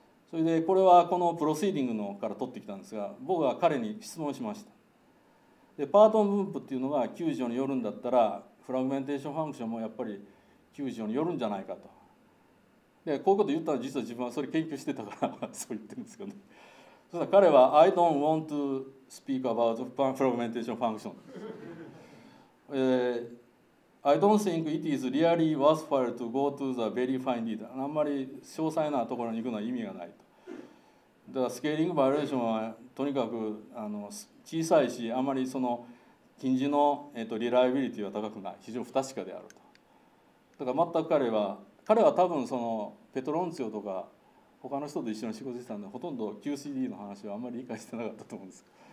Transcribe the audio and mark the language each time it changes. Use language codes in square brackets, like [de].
[ja] それでこれはこのプロシーディングのから取ってきたんですが、僕は彼に質問しました。で、パートン分布っていうのが球状によるんだったら、フラグメンテーションファンクションもやっぱり球状によるんじゃないかと。で、こういうこと言ったら、実は自分はそれ研究してたからそう言ってるんですけどね。そしたら彼は [en] 「I don't want to speak about fragmentation function. 、I don't think it is really worthwhile to go to the very fine detail. [ja] あんまり詳細なところに行くのは意味がないと。だからスケーリングバリエーションはとにかく小さいし、あまりその近似のリライビリティは高くない、非常に不確かであると。だから全く彼は多分そのペトロンツィオとか他の人と一緒に仕事してたんで、ほとんど QCD の話はあんまり理解してなかったと思うんです。